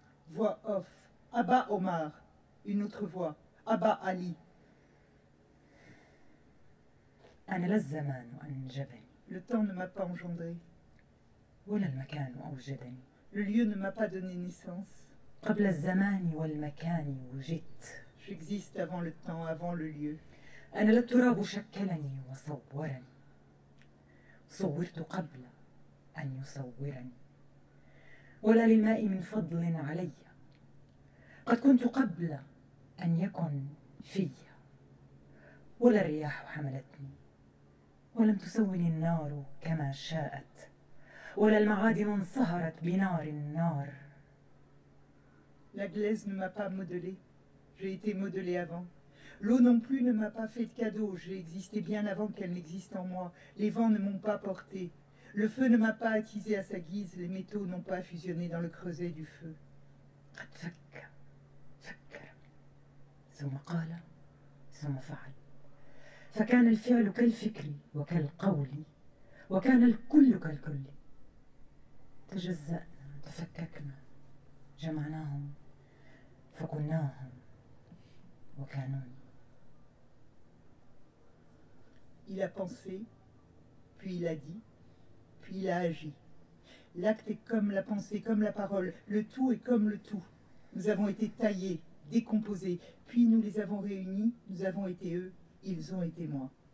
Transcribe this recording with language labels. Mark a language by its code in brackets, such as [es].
[fr] Voix off, Abba Omar, une autre voix, Abba Ali. [ar] أنا لا الزمان أنجبني. [fr] Le temps ne m'a pas engendré. [ar] ولا المكان أوجدني. [fr] Le lieu ne m'a pas donné naissance. [ar] قبل الزمان والمكان وجدت. [fr] J'existe avant le temps, avant le lieu. [ar] أنا لا التراب شكلني وصورني. صورت قبل أن يصورني. ولا للماء من فضل علي. قد كنت قبل أن يكن في. ولا الرياح حملتني. ولم تسوني النار كما شاءت ولا المعادن انصهرت بنار النار [fr] La glaise ne m'a pas modelé, j'ai été modelé avant. L'eau non plus ne m'a pas fait de cadeau, j'ai existé bien avant qu'elle n'existe en moi. Les vents ne m'ont pas porté, le feu ne m'a pas attisé à sa guise, les métaux n'ont pas fusionné dans le creuset du feu. [ar] قد فكرت ثم قال ثم فعل. فكان الفعل كالفكر وكالقول وكان الكل كالكل. تجزأنا، تفككنا، جمعناهم فكناهم وكانون. [fr] Il a pensé, puis il a dit, puis il a agi. L'acte est comme la pensée, comme la parole, le tout est comme le tout. Nous avons été taillés, décomposés, puis nous les avons réunis, nous avons été eux, ils ont été moi.